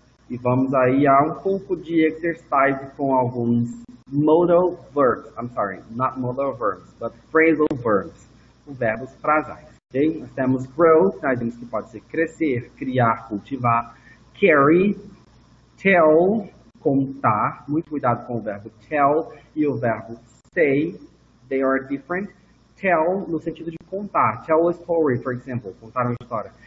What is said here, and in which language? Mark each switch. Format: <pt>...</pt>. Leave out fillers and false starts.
<pt>E vamos aí a um pouco de exercise com alguns modal verbs.</pt> <en>I'm sorry, not modal verbs, but phrasal verbs.</en> <pt>Verbos frasais, ok? Nós temos grow, nós temos que pode ser crescer, criar, cultivar.</pt> <en>Carry, tell, contar.</en> <pt>Muito cuidado com o verbo tell e o verbo say.</pt> <en>They are different.</en> <pt>Tell, no sentido de contar.</pt> <en>Tell a story, for example,</en> <pt>contar uma história.</pt>